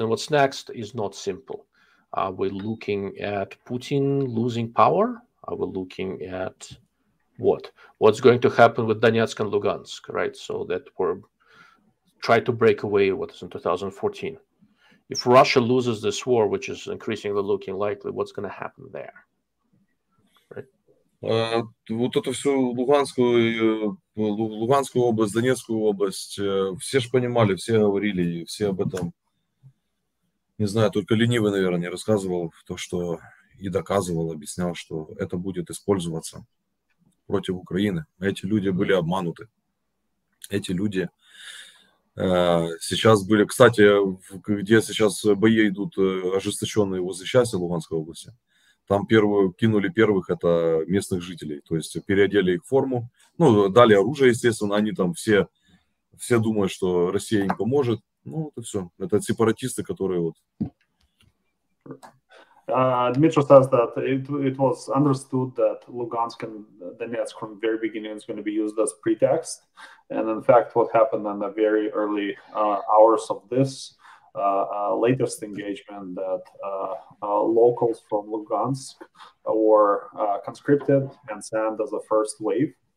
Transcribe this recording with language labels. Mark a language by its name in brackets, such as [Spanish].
[English] And what's next is not simple. Are we looking at Putin losing power? Are we looking at what? What's going to happen with Donetsk and Lugansk, right? So that were tried to break away, what is in 2014. If Russia loses this war, which is increasingly looking likely, what's going to happen there? [Russian] Вот эту всю Луганскую область, Донецкую область, все же понимали, все говорили, все об этом, не знаю, только ленивый, наверное, не рассказывал то, что и доказывал, объяснял, что это будет использоваться против Украины. Эти люди были обмануты. Эти люди сейчас были, кстати, где сейчас бои идут ожесточенные возле счастья Луганской области. Там первую кинули первых, это местных жителей, то есть переодели их форму, ну, дали оружие, естественно, они там все думают, что Россия им поможет, ну, это все, это сепаратисты, которые вот. [English] Dmitry says that it was understood that Lugansk and Donetsk from the very beginning is going to be used as pretext, and in fact, what happened in the very early hours of this latest engagement that locals from Lugansk were conscripted and sent as a first wave.